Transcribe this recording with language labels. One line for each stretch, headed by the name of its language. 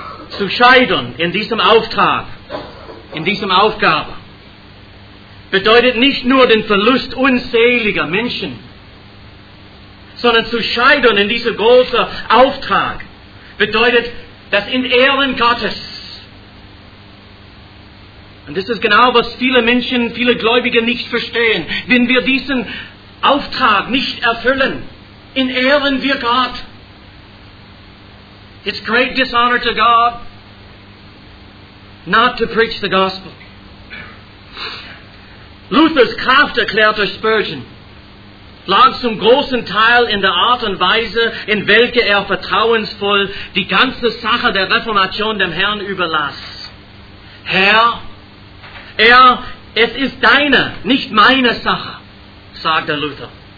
German: Zu scheitern in diesem Auftrag, in dieser Aufgabe, bedeutet nicht nur den Verlust unzähliger Menschen, sondern zu scheitern in diesem großen Auftrag bedeutet das Entehren Gottes. Und das ist genau, was viele Menschen, viele Gläubige nicht verstehen. Wenn wir diesen Auftrag nicht erfüllen, entehren wir Gott.
English: It's great dishonor to God not to preach the gospel.
German: Luthers Kraft, erklärte Spurgeon, lag zum großen Teil in der Art und Weise, in welche er vertrauensvoll die ganze Sache der Reformation dem Herrn überlass. Herr, es ist deine, nicht meine Sache, sagte Luther.